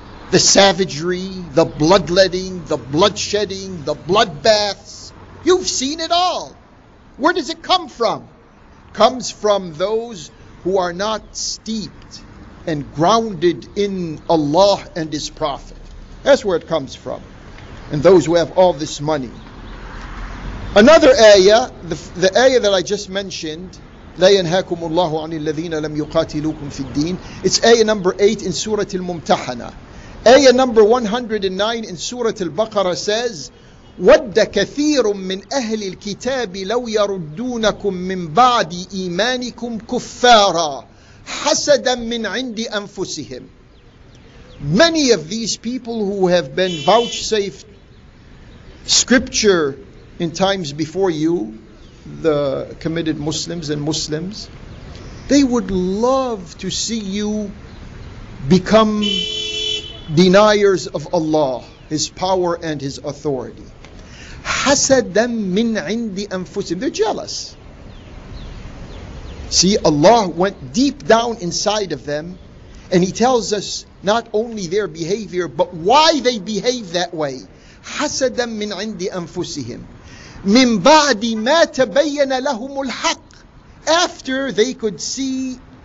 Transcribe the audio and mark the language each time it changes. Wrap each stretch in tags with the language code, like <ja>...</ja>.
<en>The savagery, the bloodletting, the bloodshedding, the bloodbaths. You've seen it all. Where does it come from? Comes from those who are not steeped and grounded in Allah and His Prophet. That's where it comes from. And those who have all this money. Another ayah, the ayah that I just mentioned,</en> <ar>لا ينهاكم الله عن الذين لم يقاتلوكم في الدين.</ar> <en>It's ayah number 8 in Surah Al-Mumtahana. Ayah number 109 in Surah Al-Baqarah says,</en> <ar>وَدَّ كَثِيرٌ مِّنْ أَهْلِ الْكِتَابِ لَوْ يَرُدُّونَكُمْ مِّنْ بَعْدِ إِيمَانِكُمْ كُفَّارًا حَسَدًا مِّنْ عِنْدِ أَنفُسِهِمْ.</ar> <en>Many of these people who have been vouchsafed scripture in times before you, the committed Muslims and Muslims, they would love to see you become deniers of Allah, His power and His authority.</en> <ar>حَسَدًا مِّنْ عِنْدِ أَنفُسِهِمْ.</ar> <en>They're jealous. See, Allah went deep down inside of them, and He tells us not only their behavior, but why they behave that way.</en> <ar>حَسَدًا مِّنْ عِنْدِ أَنفُسِهِمْ مِنْ بَعْدِ مَا تَبَيَّنَ لَهُمُ الْحَقِّ.</ar> <en>After they could see</en>